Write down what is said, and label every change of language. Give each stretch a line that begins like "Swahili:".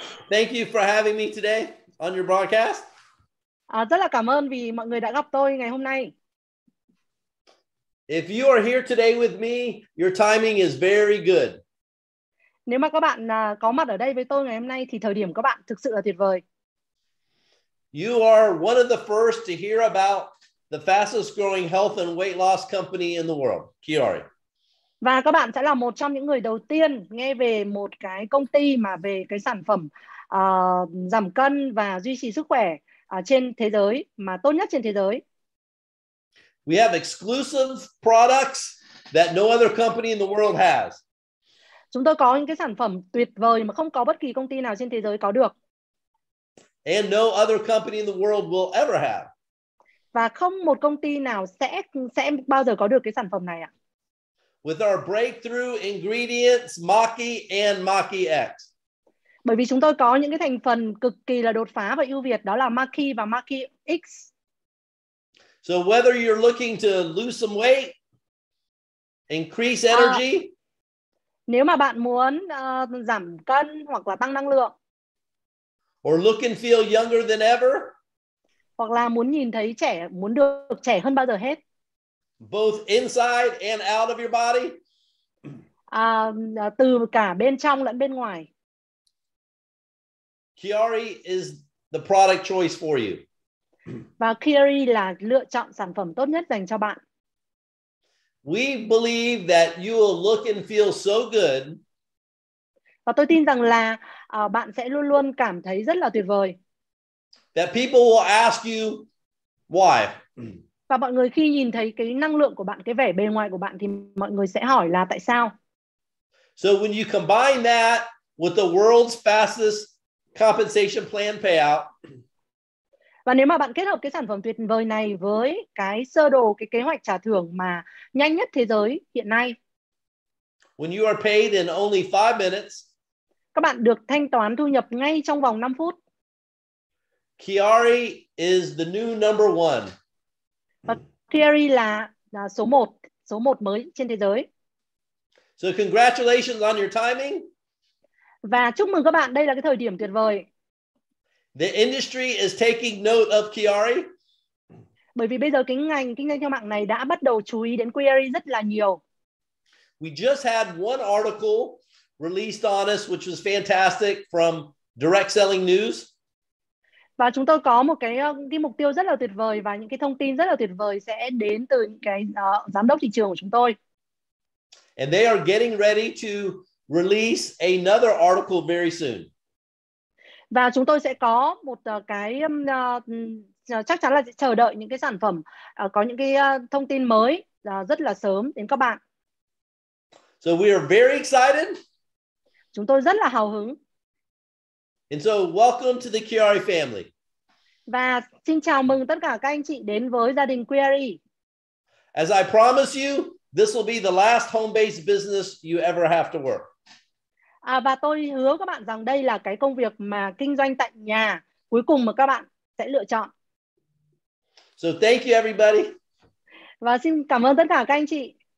English: Thank you for having me today on your broadcast.
Vietnamese: Rất là cảm ơn vì mọi người đã gặp tôi ngày hôm nay.
English: If you are here today with me, your timing is very good.
Vietnamese: Nếu mà các bạn có mặt ở đây với tôi ngày hôm nay thì thời điểm các bạn thực sự là tuyệt vời.
English: You are one of the first to hear about the fastest growing health and weight loss company in the world, Kiri.
Vietnamese: Và các bạn sẽ là một trong những người đầu tiên nghe về một cái công ty mà về cái sản phẩm giảm cân và duy trì sức khỏe trên thế giới, mà tốt nhất trên thế giới.
English: We have exclusive products that no other company in the world has.
Vietnamese: Chúng tôi có những cái sản phẩm tuyệt vời mà không có bất kỳ công ty nào trên thế giới có được.
English: And no other company in the world will ever have.
Vietnamese: Và không một công ty nào sẽ bao giờ có được cái sản phẩm này ạ.
English: With our breakthrough ingredients, Maki and Maki X.
Vietnamese: Bởi vì chúng tôi có những cái thành phần cực kỳ là đột phá và ưu việt, đó là Maki và Maki X.
English: So whether you're looking to lose some weight, increase energy.
Vietnamese: Nếu mà bạn muốn giảm cân hoặc là tăng năng lượng.
English: Or look and feel younger than ever.
Vietnamese: Hoặc là muốn nhìn thấy trẻ, muốn được trẻ hơn bao giờ hết.
English: Both inside and out of your body.
Vietnamese: Từ cả bên trong lẫn bên ngoài.
English: Kiri is the product choice for you.
Vietnamese: Và Kiri là lựa chọn sản phẩm tốt nhất dành cho bạn.
English: We believe that you will look and feel so good.
Vietnamese: Và tôi tin rằng là bạn sẽ luôn luôn cảm thấy rất là tuyệt vời.
English: That people will ask you why.
Vietnamese: Và mọi người khi nhìn thấy cái năng lượng của bạn, cái vẻ bề ngoài của bạn thì mọi người sẽ hỏi là tại sao?
English: So when you combine that with the world's fastest compensation plan payout.
Vietnamese: Và nếu mà bạn kết hợp cái sản phẩm tuyệt vời này với cái sơ đồ, cái kế hoạch trả thưởng mà nhanh nhất thế giới hiện nay.
English: When you are paid in only 5 minutes.
Vietnamese: Các bạn được thanh toán thu nhập ngay trong vòng 5 phút.
English: Kiri is the new number one.
Vietnamese: Kiri là số 1 mới trên thế giới.
English: So congratulations on your timing.
Vietnamese: Và chúc mừng các bạn, đây là cái thời điểm tuyệt vời.
English: The industry is taking note of Kiri.
Vietnamese: Bởi vì bây giờ cái ngành kinh doanh theo mạng này đã bắt đầu chú ý đến Kiri rất là nhiều.
English: We just had one article released on us which was fantastic from Direct Selling News.
Vietnamese: Và chúng tôi có một cái mục tiêu rất là tuyệt vời và những cái thông tin rất là tuyệt vời sẽ đến từ những cái giám đốc thị trường của chúng tôi.
English: And they are getting ready to release another article very soon.
Vietnamese: Và chúng tôi sẽ có một cái chắc chắn là sẽ chờ đợi những cái sản phẩm có những cái thông tin mới rất là sớm đến các bạn.
English: So we are very excited.
Vietnamese: Chúng tôi rất là hào hứng.
English: And so, welcome to the Kiri family.
Vietnamese: Và xin chào mừng tất cả các anh chị đến với gia đình Kiri.
English: As I promise you, this will be the last home-based business you ever have to work.
Vietnamese: Và tôi hứa các bạn rằng đây là cái công việc mà kinh doanh tại nhà cuối cùng mà các bạn sẽ lựa chọn.
English: So thank you, everybody.
Vietnamese: Và xin cảm ơn tất cả các anh chị.